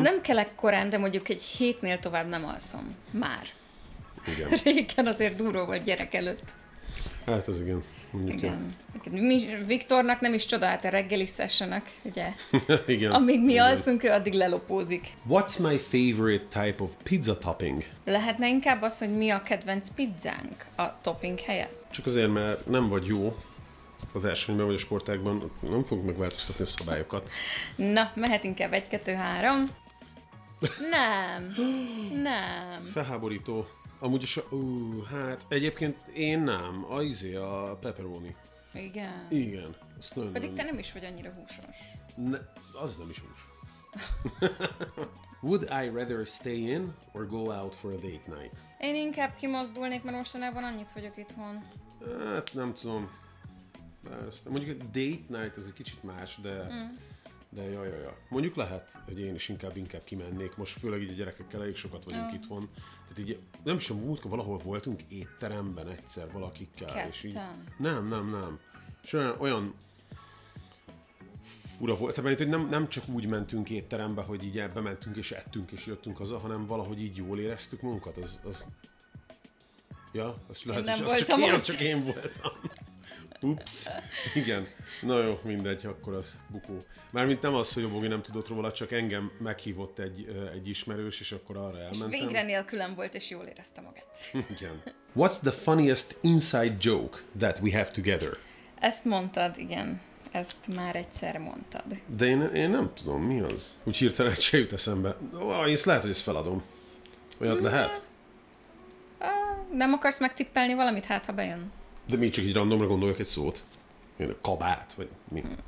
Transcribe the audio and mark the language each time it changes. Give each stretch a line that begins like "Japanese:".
Hungarian: Nem kelek korán, de mondjuk egy hétnél tovább nem alszom. Már. Igen. Régen azért duró volt gyerek előtt. Hát ez igen. Igen. Mi, Viktornak nem is csodált a reggeli sessionek, ugye? Igen. Amíg mi igen. alszunk, ő addig lelopózik.
English: What's my favorite type of pizza topping?
Hungarian: Lehetne inkább az, hogy mi a kedvenc pizzánk a topping helye? Csak azért, mert nem vagy jó a versenyben vagy a sportágban, nem fogunk megváltoztatni a szabályokat. Na, mehet inkább 1-2-3. Nem. Felháborító. Amúgy is, hát egyébként én nem, a pepperoni. Igen. Igen. Pedig te nem is vagy annyira húsos. Ne, az nem is hús.
English: Would I rather stay in or go out for a date night?
Hungarian: Én inkább kimozdulnék, mert mostanában annyit vagyok itthon. Hát nem tudom. Mondjuk a date night az egy kicsit más, de... De jaj. Mondjuk lehet, hogy én is inkább kimennék. Most főleg így a gyerekekkel elég sokat vagyunk itthon. Tehát így nem sem volt, valahol voltunk étteremben egyszer valakikkel. Ketten. És így, nem. És olyan fura volt. Tehát hogy nem csak úgy mentünk étterembe, hogy így bementünk és ettünk és jöttünk haza, hanem valahogy így jól éreztük magunkat. Az... Ja, az lehet, nem hogy voltam az csak, ilyen, csak én voltam. Ups, igen. Na jó, mindegy, akkor az bukó. Mármint nem az, hogy a Bogi nem tudott róla, csak engem meghívott egy ismerős, és akkor arra elmentem. És végre nélkülem volt, és jól érezte magát. Igen.
English: What's the funniest inside joke that we have together?
Hungarian: Ezt mondtad, igen. Ezt már egyszer mondtad. De én nem tudom, mi az. Úgy hirtelen egy se jut eszembe. Ezt lehet, hogy ezt feladom. Olyat lehet? Nem akarsz megtippelni valamit, hát ha bejön? De még csak így randomra gondoljak egy szót. Ilyen kabát, vagy mi?